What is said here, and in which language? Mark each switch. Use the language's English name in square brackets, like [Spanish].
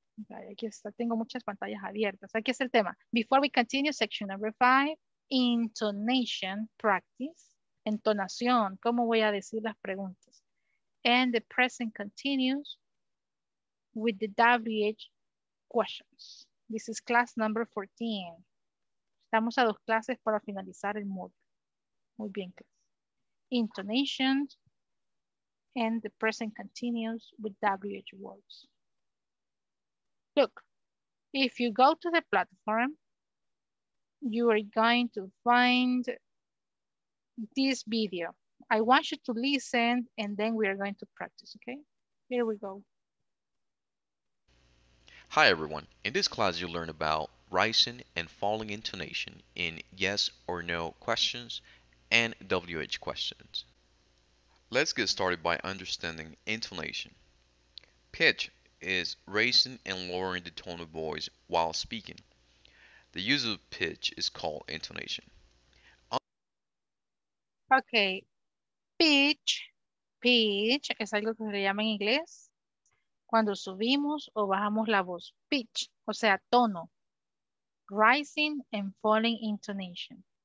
[Spanish] Okay, aquí está. Tengo muchas pantallas abiertas. Aquí es el tema. [English] Before we continue, section number 5, intonation practice. [Spanish] Entonación. ¿Cómo voy a decir las preguntas? [English] And the present continues with the WH questions. This is class number 14. [Spanish] Estamos a dos clases para finalizar el módulo. Muy bien, class. [English] Intonation and the present continuous with WH words. Look, if you go to the platform, you are going to find this video. I want you to listen and then we are going to practice, okay? Here we go. Hi everyone, in this class you'll learn about rising and falling intonation in yes or no questions and WH questions. Let's get started by understanding intonation. Pitch is raising and lowering the tone of voice while speaking. The use of pitch is called intonation. [Spanish] Okay, pitch es algo que se llama en inglés. Cuando subimos o bajamos la voz, pitch, o sea, tono, [English] rising and falling intonation.